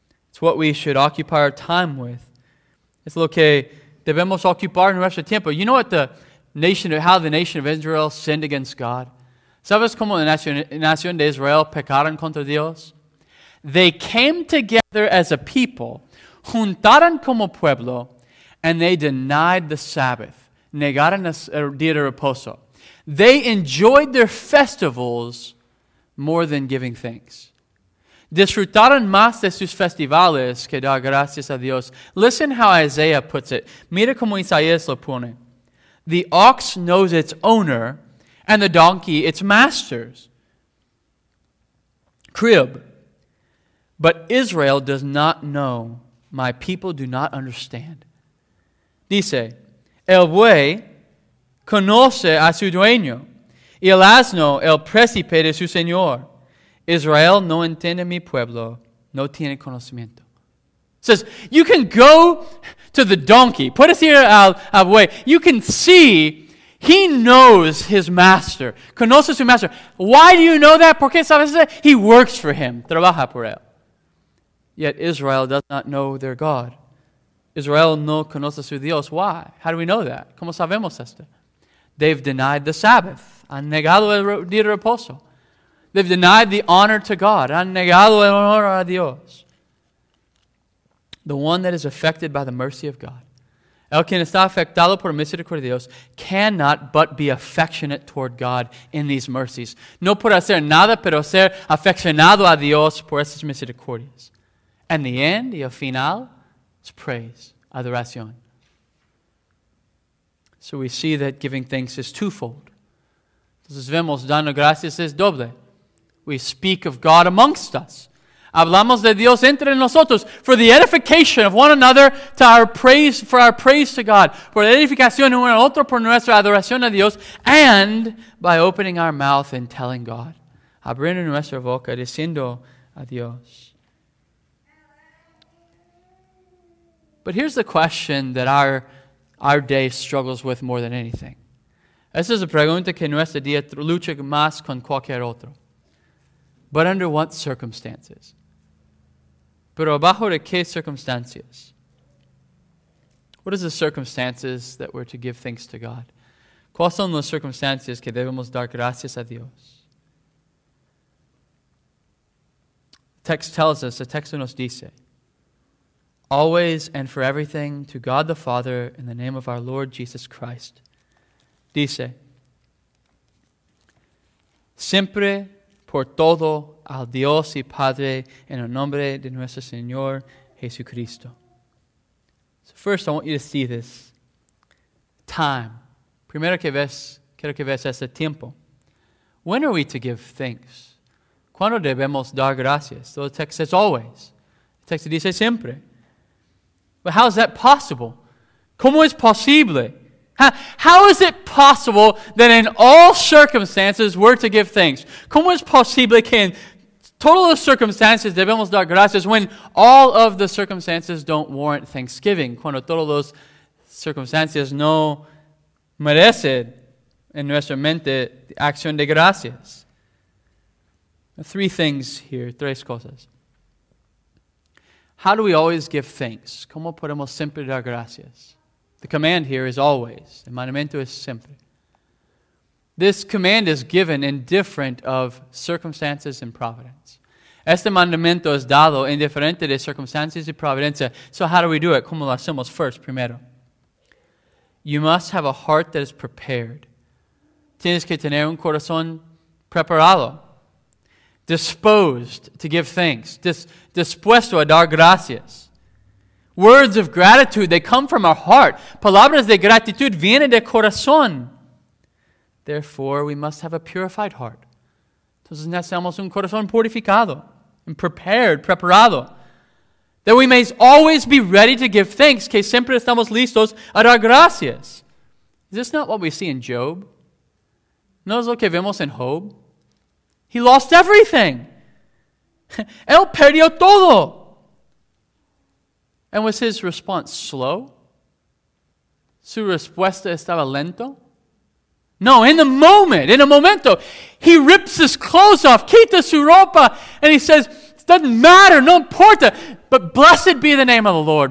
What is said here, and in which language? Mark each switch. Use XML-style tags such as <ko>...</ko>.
<en>It's what we should occupy our time with.</en> <es>Es lo que debemos ocupar nuestro tiempo.</es> <en>You know what the nation of Israel sinned against God?</en> <es>¿Sabes cómo la nación de Israel pecaron contra Dios?</es> <en>They came together as a people,</en> <es>juntaron como pueblo,</es> <en>and they denied the Sabbath,</en> <es>negaron el día de reposo.</es> <en>They enjoyed their festivals more than giving thanks.</en> <es>Disfrutaron más de sus festivales que dar gracias a Dios.</es> <en>Listen how Isaiah puts it.</en> <es>Mira cómo Isaías lo pone.</es> <en>The ox knows its owner, and the donkey its master's. Crib. But Israel does not know. My people do not understand.</en> <es>Dice, el buey conoce a su dueño, y el asno el príncipe de su señor. Israel no entiende mi pueblo, no tiene conocimiento.</es> <en>Says, you can go to the donkey. Put us here</en> <es>al buey.</es> <en>You can see he knows his master.</en> <es>Conoce su</es> <en>master. Why do you know that?</en> <es>Porque sabes que</es> <en>he works for him.</en> <es>Trabaja por él.</es> <en>Yet Israel does not know their God.</en> <es>Israel no conoce su Dios.</es> <en>Why? How do we know that?</en> <es>¿Cómo sabemos esto?</es> <en>They've denied the Sabbath.</en> <es>Han negado el día de reposo.</es> <en>They've denied the honor to God.</en> <es>Han negado el honor a Dios.</es> <en>The one that is affected by the mercy of God.</en> <es>El quien está afectado por misericordia de Dios</es> <en>cannot but be affectionate toward God in these mercies.</en> <es>No puede hacer nada pero ser afeccionado a Dios por estas misericordias.</es> <en>And the end,</en> <es>y el final,</es> <en>is praise,</en> <es>adoración.</es> <en>So we see that giving thanks is twofold.</en> <es>Entonces vemos, dando gracias es doble.</es> <en>We speak of God amongst us.</en> <es>Hablamos de Dios entre nosotros</es> <en>for the edification of one another to our praise, for our praise to God.</en> <es>Por la edificación uno en otro por nuestra adoración a Dios.</es> <en>And by opening our mouth and telling God.</en> <es>Abriendo nuestra boca diciendo a Dios.</es> <en>But here's the question that our day struggles with more than anything.</en> <es>Esa es la pregunta que nuestro día lucha más con cualquier otro.</es> <en>But under what circumstances?</en> <es>Pero bajo de qué circunstancias?</es> <en>What is the circumstances that we're to give thanks to God?</en> <es>¿Cuáles son las circunstancias que debemos dar gracias a Dios?</es> <en>The text</en> <es>nos dice,</es> <en>always and for everything to God the Father in the name of our Lord Jesus Christ.</en> <es>Dice, siempre por todo al Dios y Padre en el nombre de nuestro Señor Jesucristo.</es> <en>So first I want you to see this. Time.</en> <es>Primero que ves, quiero que ves ese tiempo.</es> <en>When are we to give thanks?</en> <es>¿Cuándo debemos dar gracias?</es> <en>So the text says always. The text</en> <es>dice siempre.</es> <en>But how is that possible?</en> <es>¿Cómo es posible?</es> <en>How is it possible that in all circumstances we're to give thanks?</en> <es>¿Cómo es posible que en todas las circunstancias debemos dar gracias</es> <en>when all of the circumstances don't warrant thanksgiving?</en> <es>Cuando todas las circunstancias no merecen en nuestra mente acción de gracias.</es> <en>Three things here,</en> <es>tres cosas.</es> <en>How do we always give thanks?</en> <es>¿Cómo podemos siempre dar gracias?</es> <en>The command here is always.</en> <es>El mandamiento es siempre.</es> <en>This command is given indifferent of circumstances and providence.</en> <es>Este mandamiento es dado indiferente de circunstancias y providencia.</es> <en>So how do we do it?</en> <es>¿Cómo lo hacemos?</es> <en>First,</en> <es>primero.</es> <en>You must have a heart that is prepared.</en> <es>Tienes que tener un corazón preparado.</es> <en>Disposed to give thanks.</en> <es>Dispuesto a dar gracias.</es> <en>Words of gratitude, they come from our heart.</en> <es>Palabras de gratitud vienen de corazón.</es> <en>Therefore, we must have a purified heart.</en> <es>Entonces necesitamos un corazón purificado. And preparado.</es> <en>That we may always be ready to give thanks.</en> <es>Que siempre estamos listos a dar gracias.</es> <en>Is this not what we see in Job?</en> <es>¿No es lo que vemos en Job?</es> <en>He lost everything.</en> <es>Él perdió todo.</es> <en>And was his response slow?</en> <es>¿Su respuesta estaba lento?</es> <en>No, in a momento, he rips his clothes off,</en> <es>quita su ropa,</es> <en>and he says, it doesn't matter,</en> <es>no importa,</es> <en>but blessed be the name of the Lord.</en>